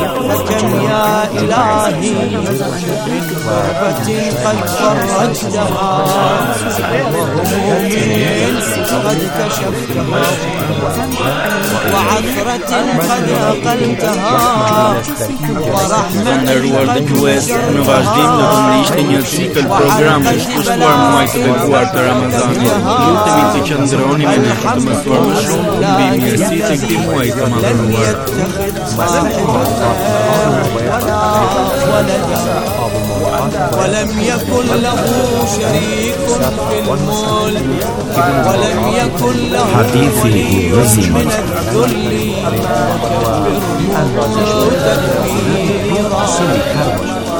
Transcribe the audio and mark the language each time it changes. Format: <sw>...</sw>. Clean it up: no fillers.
<ar>فكم يا إلهي من كربة قد فرجتها، وهموم قد كشفتها، وعثرة قد أقلتها، ورحمة قد وزرتها،</ar> <sq>majtë bekuar të Ramazanit. Lutemi të qëndroni me ne për të mësuar më shumë mbi mirësitë e këtij muaji të madhëruar.</sq> <ar>ولم يكن له شريك في الملك، ولم يكن له شريك من الذل تكبيرا. الحمد لله بجميع محامده كلها</ar>